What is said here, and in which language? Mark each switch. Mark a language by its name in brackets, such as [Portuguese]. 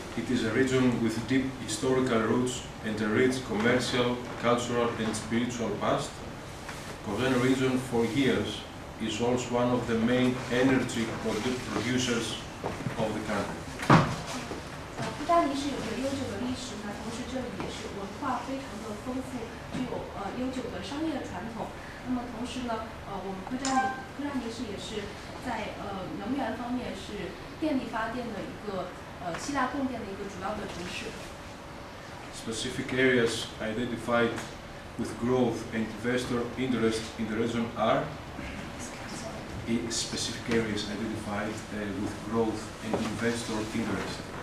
[English] is a region with deep historical roots and a rich commercial, cultural and spiritual past. Kozani region for years is also one of the main energy producers of the country. [Chinese] 库加尼是有着悠久的历史，那同时这里也是文化非常的丰富，具有悠久的商业传统。那么同时呢，我们库加尼是也是在能源方面是电力发电的一个希腊供电的一个主要的城市。Specific [English] areas identified with growth and investor interest in the region are. Specific areas identified with growth and investor interest.